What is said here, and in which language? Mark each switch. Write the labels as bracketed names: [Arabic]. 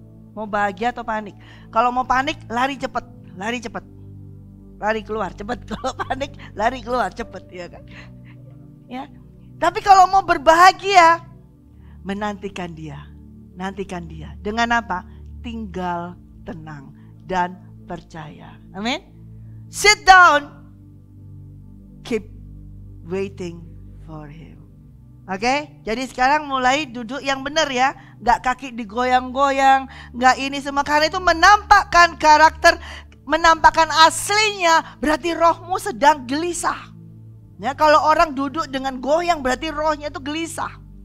[Indonesian] Mau bahagia atau panik? Kalau mau panik, lari cepat, lari cepat, lari keluar cepat. Kalau panik, lari keluar cepat, ya kan? Ya. Tapi kalau mau berbahagia, menantikan Dia, nantikan Dia. Dengan apa? Tinggal tenang dan percaya. Amin. [English] Sit down, keep waiting for Him. [Indonesian] Oke, jadi sekarang mulai duduk yang benar ya. Gak kaki digoyang-goyang, gak ini semua. Karena itu menampakkan karakter, menampakkan aslinya, berarti rohmu sedang gelisah. Ya, kalau orang duduk dengan goyang, berarti rohnya itu gelisah.